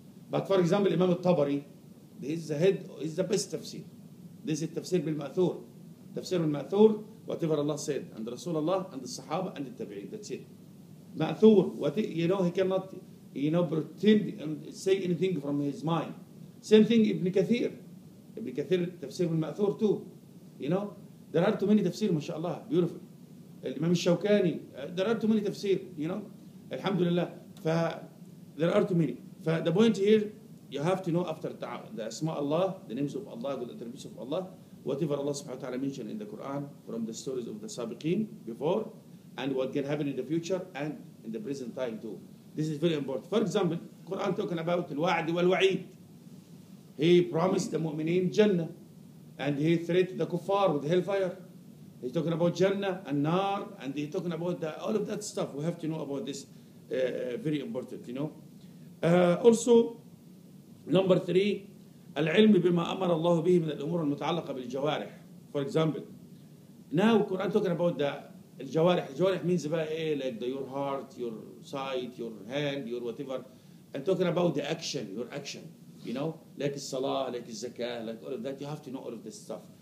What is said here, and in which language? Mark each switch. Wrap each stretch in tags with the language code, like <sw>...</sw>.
<en>But for example, Imam al-Tabari, he's the head, he's the best tafsir. This is tafsir bil-ma'thur. Tafsir bil-ma'thur, whatever Allah said. And Rasulullah, and the Sahaba, and the Tabi'in. That's it. Ma'thur, what, you know, he cannot, you know, pretend and say anything from his mind. same thing ابن كثير.</en> <ar>ابن كثير تفسير من المأثور</ar> <en>تو. You know there are too many تفسير</en> <ar>ما شاء الله</ar> <en>beautiful. الإمام الشوكاني there are too many تفسير. You know</en> <ar>الحمد لله.</ar> <en>ف there are too many. ف the point here you have to know after the اسماء الله the names of Allah the attributes of Allah whatever Allah</en> <ar>سبحانه وتعالى</ar> <en>mentioned in the Quran from the stories of the سابقين before and what can happen in the future and in the present time too. This is very important. For example, Quran talking about</en> <ar>الوعد والوعيد.</ar> <en>He promised the mu'mineen Jannah and he threatened the kuffar with hellfire. He's talking about Jannah and Nar and he's talking about the, all of that stuff. We have to know about this very important, you know.</en> <ar>Also, number three, العلم بما أمر الله به من الأمور المتعلقة بالجوارح.</ar> <en>For example, now Quran talking about the الجوارح. الجوارح means about</en> <ar>إيه,</ar> <en>like the, your heart, your sight, your hand, your whatever. And talking about the action, your action. You know, like salah, like zakah, like all of that. You have to know all of this stuff.</en>